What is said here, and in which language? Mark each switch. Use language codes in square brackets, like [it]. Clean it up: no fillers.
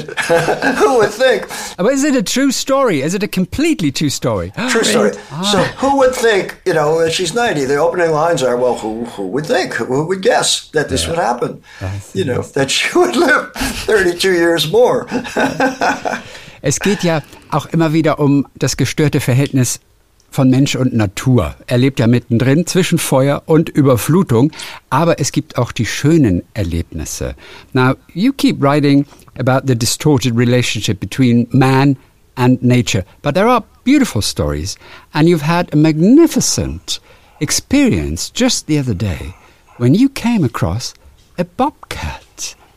[en] Who would think? But is it a true story? Is it a completely true story? True story. So who would think, you know, that she's 90? The opening lines are, well, who would think? Who would guess that this would happen? You know, that she would live 32 years more. [de] Es geht ja auch immer wieder um das gestörte Verhältnis von Mensch und Natur. Er lebt ja mittendrin zwischen Feuer und Überflutung, aber es gibt auch die schönen Erlebnisse. [en] Now, you keep writing about the distorted relationship between man and nature, but there are beautiful stories, and you've had a magnificent experience just the other day when you came across a bobcat.